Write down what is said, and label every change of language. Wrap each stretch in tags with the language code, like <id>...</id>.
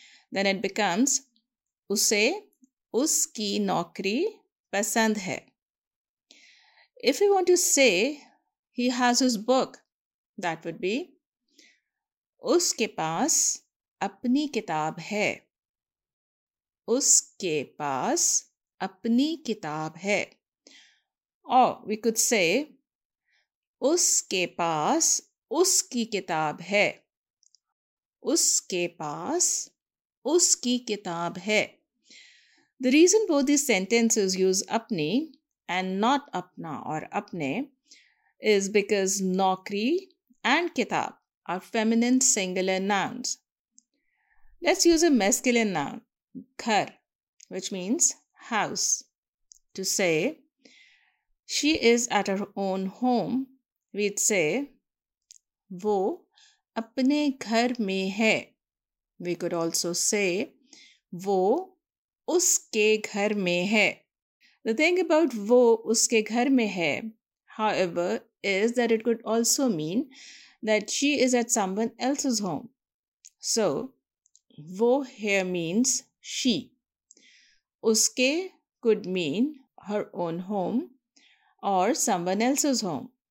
<en>Then it becomes,</en> <hi>उसे उसकी नौकरी पसंद है.</hi> <en>If we want to say, he has his book, that would be,</en> <hi>उसके पास अपनी किताब है. उसके पास अपनी किताब है.</hi> <en>Or we could say,</en> <hi>उसके पास उसकी किताब है. उसके पास उसकी किताब है.</hi> <en>The reason both these sentences use apni and not apna or apne is because nokri and kitab are feminine singular nouns. Let's use a masculine noun, ghar, which means house, to say, she is at her own home, we'd say,</en> <hi>वो अपने घर में है.</hi> <en>We could also say,</en> <hi>वो उसके घर में है.</hi> <en>The thing about</en> <hi>वो उसके घर में है,</hi> <en>however, is that it could also mean that she is at someone else's home. So, वो here means she. उसके could mean her own home or someone else's home.</en>